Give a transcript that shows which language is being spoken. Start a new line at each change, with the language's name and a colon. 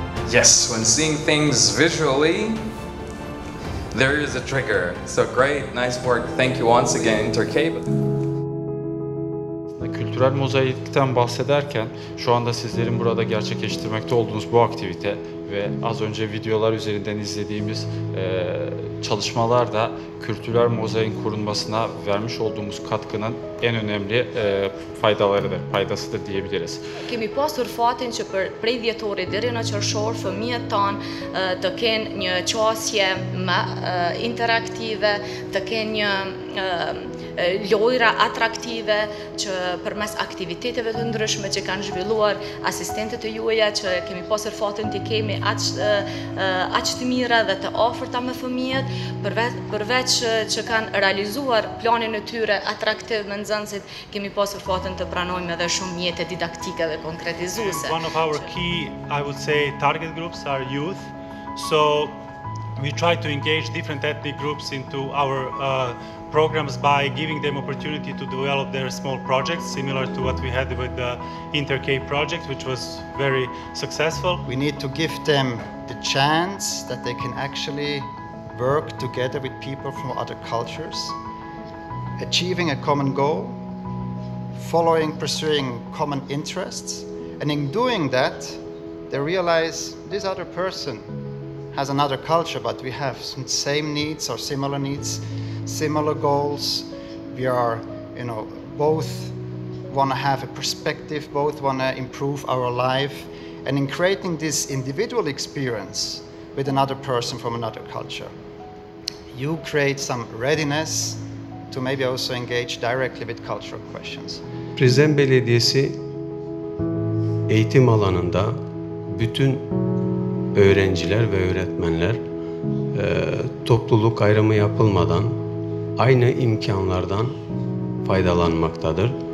English: Yes, when seeing things visually, there is a trigger. So great, nice work. Thank you once again, InterK.
Turkish: Kültürel mozaikten bahsederken, şu anda sizlerin burada gerçekleştirmekte olduğunuz bu aktivite ve az önce videolar üzerinden izlediğimiz çalışmalar da kültürel mozaiğin korunmasına vermiş olduğumuz katkının en önemli faydalarıdır, paydasıdır diyebiliriz.
Albanian: Kemi pasur fatin që për prej dhjetori deri në qershor, fëmijët tanë të kenë një qasje interaktive, të kenë një lojra atraktive që përmes aktiviteteve të ndryshme që kanë zhvilluar asistentët e juaja që kemi pasur fatin të kemi aq të mira dhe të ofërta me fëmijët përveç që kanë realizuar planin e tyre atraktiv me nxënësit kemi pasur fatin të pranojmë edhe shumë mjete didaktike dhe konkretizuese.
English: One of our key, I would say, target groups are youth. So we try to engage different ethnic groups into our programs by giving them opportunity to develop their small projects, similar to what we had with the InterK project, which was very successful. We need to give them the chance that they can actually work together with people from other cultures, achieving a common goal, pursuing common interests, and in doing that, they realize this other person has another culture, but we have some same needs or similar needs, similar goals. We are, you know, both want to have a perspective, both want to improve our life. And in creating this individual experience with another person from another culture, you create some readiness to maybe also engage directly with cultural questions.
Turkish: Prizren Belediyesi eğitim alanında bütün öğrenciler ve öğretmenler topluluk ayrımı yapılmadan aynı imkanlardan faydalanmaktadır.